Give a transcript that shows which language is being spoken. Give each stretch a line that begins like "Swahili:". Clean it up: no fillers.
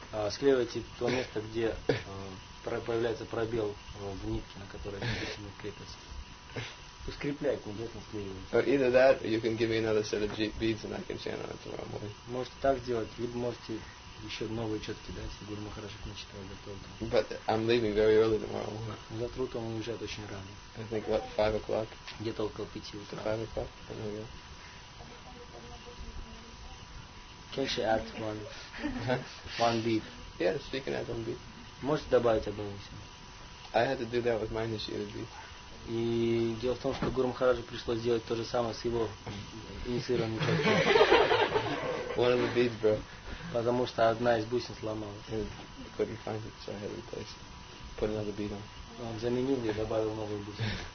Russian: Склеиваете то место, где появляется пробел в нитке, на которой бусина крепится. Ускрепляй, конкретно склеивай.
English: Or either that, or you can give me another set of beads and I can chant on it tomorrow morning.
Russian: Можете так сделать, либо можете еще новые четки дать, Гуру Махараджа к начатому готовому.
English: But I'm leaving very early tomorrow morning.
Russian: Завтра утром он уезжает очень рано.
English: I think what, 5 o'clock?
Russian: Где-то около 5 утра.
English: 5 o'clock? I don't know. Can she add one bead? Yes, she can add one bead.
Russian: Можете добавить одну бусину?
English: I had to do that with my initiated bead.
Russian: И дело в том, что Гуру Махараджу пришлось сделать то же самое с его инициированным четком.
English: One of the beads broke.
Russian: Потому что одна из бусин сломалась.
English: And I couldn't find it, so I had to replace it. Put another bead on.
Russian: Он заменил и добавил новую бусину.